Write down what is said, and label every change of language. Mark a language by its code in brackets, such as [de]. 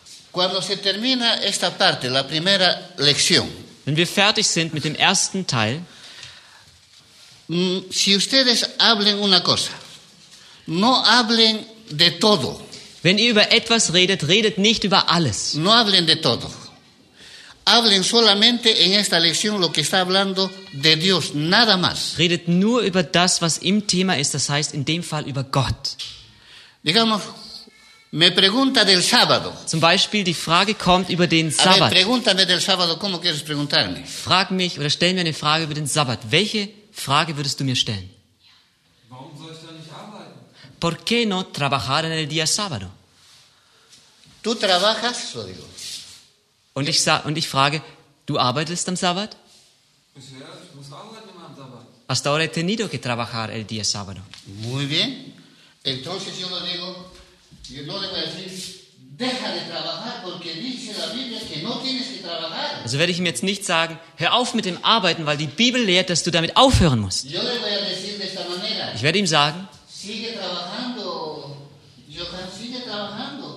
[es] Cuando se termina esta parte, la primera lección. [de] Wenn wir fertig sind mit dem ersten Teil, [es] si ustedes hablen una cosa, no hablen de todo. [de] Wenn ihr über etwas redet, redet nicht über alles. [es] No hablen de todo. Hablen solamente en esta lección lo que está hablando de Dios, nada más. [de] Redet nur über das, was im Thema ist, das heißt in dem Fall über Gott. [es] Digamos, me pregunta del sábado. [de] Zum Beispiel, die Frage kommt über den Sabbat. [es] A ver, pregúntame del sábado, ¿cómo quieres preguntarme? [de] Frag mich oder stell mir eine Frage über den Sabbat. Welche Frage würdest du mir stellen? Warum soll ich da nicht arbeiten? [es] ¿Por qué no trabajar en el día sábado? Tú trabajas, lo digo. [de] Und ich frage, du arbeitest am Sabbat? Ja, ich muss arbeiten immer am Sabbat. [es] Hasta ahora he tenido que trabajar el día sábado. Muy bien. Entonces yo lo digo, yo no le voy a decir, deja de trabajar, porque dice la Biblia que no tienes que trabajar. [de] Also werde ich ihm jetzt nicht sagen, hör auf mit dem Arbeiten, weil die Bibel lehrt, dass du damit aufhören musst. [es] Yo le voy a decir de esta manera. [de] Ich werde ihm sagen, [es] sigue trabajando, Johann, sigue trabajando.